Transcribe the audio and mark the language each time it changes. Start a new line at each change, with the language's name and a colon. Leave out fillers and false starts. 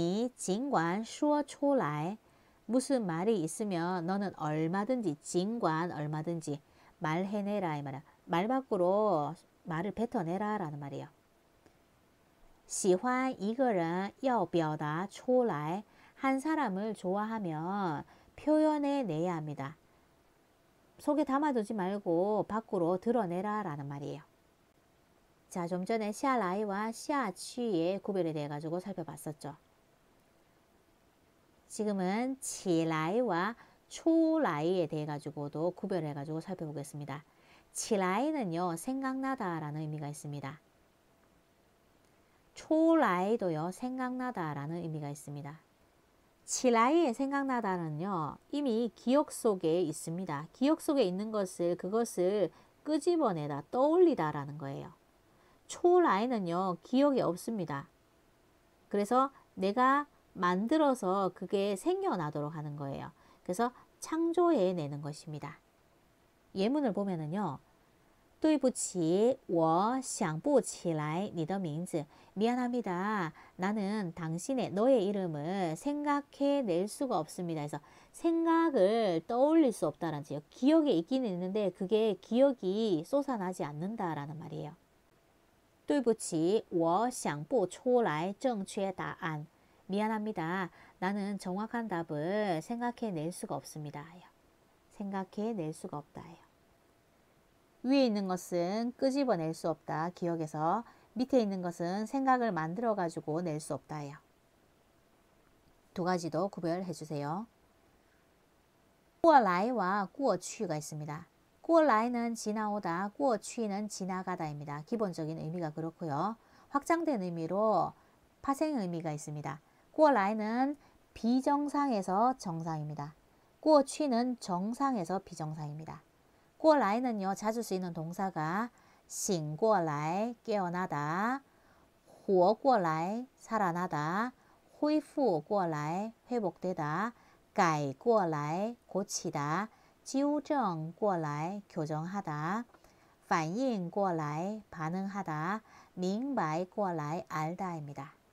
Chinese: 有什么话你尽管说出来.
Korean: 무슨 말이 있으면 너는 얼마든지 尽管 얼마든지 말해내라 이 말이야. 말 밖으로 말을 뱉어내라라는 말이에요.
Chinese: 喜欢一个人要表达出来.
Korean: 한 사람을 좋아하면 표현해내야 합니다. 속에 담아두지 말고 밖으로 드러내라라는 말이에요. 자, 좀 전에 시아라이와 시아취의 구별에 대해 가지고 살펴봤었죠. 지금은 치라이와 초라이에 대해 가지고도 구별해 가지고 살펴보겠습니다. 치라이는요, 생각나다라는 의미가 있습니다. 초라이도요, 생각나다라는 의미가 있습니다. 치라이의 생각나다는요, 이미 기억 속에 있습니다. 기억 속에 있는 것을 그것을 끄집어내다 떠올리다라는 거예요. 초라이는요, 기억이 없습니다. 그래서 내가 만들어서 그게 생겨나도록 하는 거예요. 그래서 창조해내는 것입니다. 예문을 보면은요,
Chinese: 对不起,我想不起来你的名字.
Korean: 미안합니다. 나는 당신의 너의 이름을 생각해 낼 수가 없습니다. 해서 생각을 떠올릴 수 없다는 지요. 기억에 있긴 있는데 그게 기억이 솟아나지 않는다라는 말이에요.
Chinese: 对不起,我想不出来正确答案.
Korean: 미안합니다. 나는 정확한 답을 생각해 낼 수가 없습니다. 생각해 낼 수가 없다. 위에 있는 것은 끄집어낼 수 없다, 기억에서. 밑에 있는 것은 생각을 만들어가지고 낼수 없다, 예요. 두 가지도 구별해 주세요. 过来와 过去가 있습니다. 过来는 지나오다, 过去는 지나가다입니다. 기본적인 의미가 그렇고요. 확장된 의미로 파생 의미가 있습니다. 过来는 비정상에서 정상입니다. 过去는 정상에서 비정상입니다. 过来는요, 자주 쓰이는 동사가 醒过来, 깨어나다, 活过来, 살아나다, 恢复过来, 회복되다, 改过来, 고치다, 纠正过来, 교정하다, 反应过来, 반응하다, 明白过来, 알다입니다.